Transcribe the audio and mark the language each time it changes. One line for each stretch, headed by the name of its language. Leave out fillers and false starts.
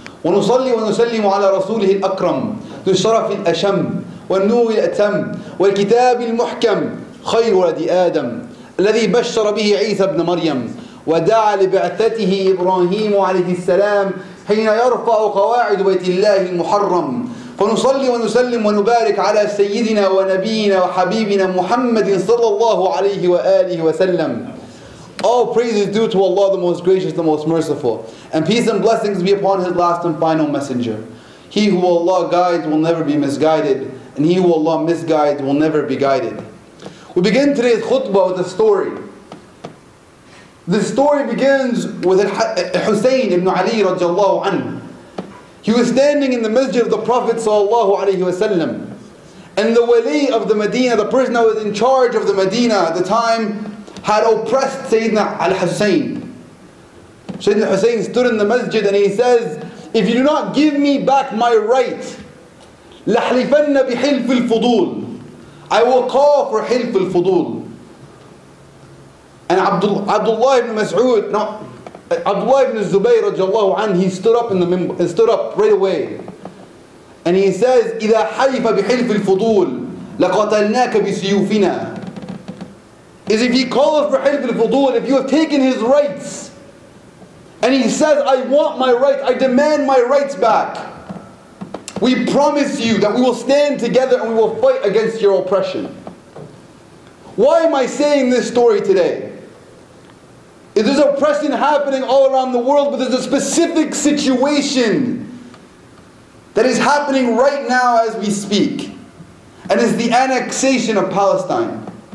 Arabic: ونصلي ونسلم على رسوله الأكرم ذو الشرف الأشم والنور الأتم والكتاب المحكم خير ولد آدم الذي بشر به عيسى ابن مريم ودعا لبعثته إبراهيم عليه السلام حين يرفع قواعد بيت الله المحرم فنصلي ونسلم ونبارك على سيدنا ونبينا وحبيبنا محمد صلى الله عليه وآله وسلم.
English: All praises due to Allah, the most gracious, the most merciful, and peace and blessings be upon his last and final messenger. He who Allah guides will never be misguided, and he who Allah misguides will never be guided. We begin today's khutbah with a story. The story begins with Hussein ibn Ali radiallahu anhu. He was standing in the masjid of the Prophet sallallahu alayhi wasallam, and the wali of the Medina, the person that was in charge of the Medina at the time, had oppressed Sayyidina al-Hussein. Sayyidina Hussein stood in the masjid and he says, if you do not give me back my right,
Arabic: لَحْلِفَنَّ بِحِلْفِ الْفُضُولِ,
English: I will call for حِلْفِ الْفُضُولِ. And Abdullah ibn Mas'ud, no, Abdullah ibn Zubayr radiallahu anhu, he stood up right away. And he says,
Arabic: إِذَا حَلِفَ بِحِلْفِ الْفُضُولِ لَقَتَلْنَاكَ بِسِيُوفِنَا.
English: Is if he calls for حِلْفِ الْفُضُولِ, if you have taken his rights, and he says, I want my rights, I demand my rights back, we promise you that we will stand together and we will fight against your oppression. Why am I saying this story today? Is there oppression happening all around the world, but there's a specific situation that is happening right now as we speak, and it's the annexation of Palestine.